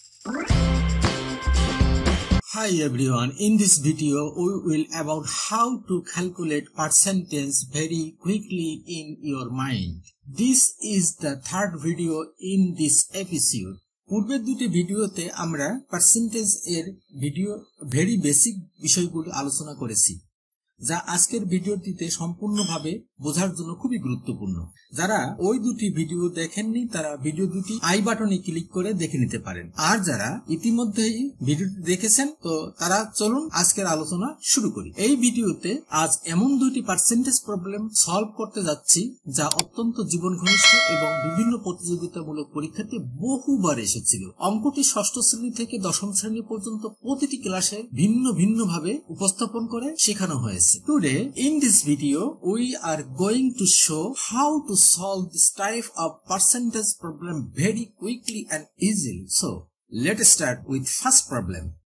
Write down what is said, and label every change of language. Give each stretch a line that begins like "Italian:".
English: Hi everyone, in this video we will about how to calculate percentage very quickly in your mind. This is the third video in this episode.
Bangla: পূর্বের দুটি ভিডিওতে আমরা percentage এর video very basic বিষয়গুলি আলোচনা করেছি, যা আজকের ভিডিওটিতে সম্পূর্ণভাবে বোঝার জন্য খুবই গুরুত্বপূর্ণ। যারা ওই দুটি ভিডিও দেখেননি তারা ভিডিও দুটি আই বাটনে ক্লিক করে দেখে নিতে পারেন, আর যারা ইতিমধ্যেই ভিডিওটি দেখেছেন তো তারা চলুন আজকের আলোচনা শুরু করি। এই ভিডিওতে আজ এমন দুটি পার্সেন্টেজ প্রবলেম সলভ করতে যাচ্ছি যা অত্যন্ত জীবন ঘনিষ্ঠ এবং বিভিন্ন প্রতিযোগিতামূলক পরীক্ষাতে বহুবার এসেছিল। অঙ্কটি ষষ্ঠ শ্রেণী থেকে দশম শ্রেণী পর্যন্ত প্রতিটি ক্লাসে ভিন্ন ভিন্ন ভাবে উপস্থাপন করে শেখানো হয়।
English: Today, in this video, we are going to show how to solve this type of percentage problem very quickly and easily. So, let's start with first problem.